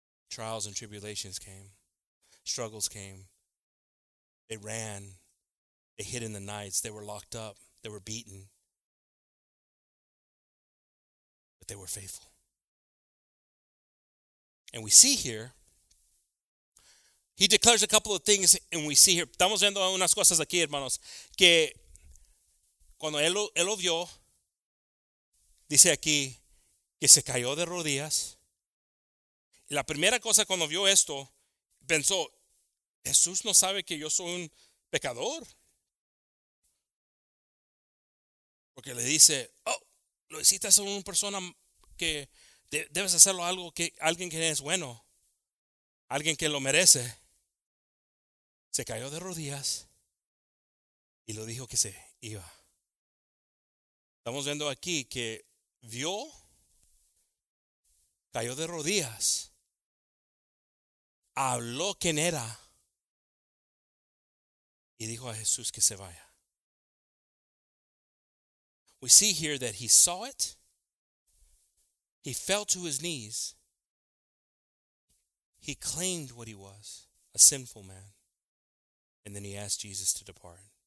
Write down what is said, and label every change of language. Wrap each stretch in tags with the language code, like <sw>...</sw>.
<en>Trials and tribulations came. Struggles came. They ran. They hid in the nights. They were locked up. They were beaten. But they were faithful. And we see here, he declares a couple of things, and we see here.</en> <es>Estamos viendo unas cosas aquí, hermanos, que cuando él lo vio, dice aquí que se cayó de rodillas. Y la primera cosa cuando vio esto, pensó, Jesús no sabe que yo soy un pecador. Porque le dice, oh, lo hiciste a una persona que debes hacerlo algo que alguien que es bueno, alguien que lo merece. Se cayó de rodillas y lo dijo que se iba. Estamos viendo aquí que vio, cayó de rodillas, habló quién era y dijo a Jesús que se vaya.</es> <en>We see here that he saw it, he fell to his knees, he claimed what he was, a sinful man. And then he asked Jesus to depart.</en>